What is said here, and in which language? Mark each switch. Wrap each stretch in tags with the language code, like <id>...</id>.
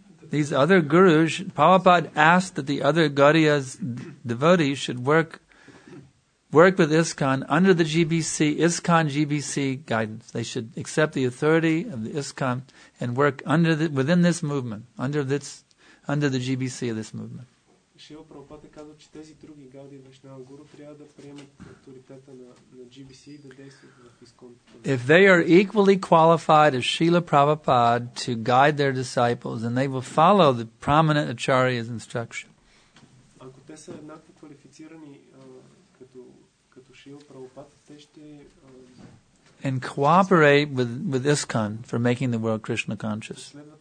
<en>These other gurus, Prabhupada asked that the other Gaudiya's devotees should work with ISKCON under the GBC, ISKCON GBC guidance. They should accept the authority of the ISKCON and work within this movement, under the GBC of this movement.</en> <bg>Шрила Прабхупада каза, че тези други гауди вишнава гуру трябва да приемат авторитета на GBC и да действат в ISKCON.</bg> <en>If they are equally qualified as Srila Prabhupada to guide their disciples, then they will follow the prominent acharya's instruction.</en> <bg>Ако те са еднакво квалифицирани като Шрила Прабхупада, те ще</bg> <en>and cooperate with ISKCON for making the world Krishna conscious.</en>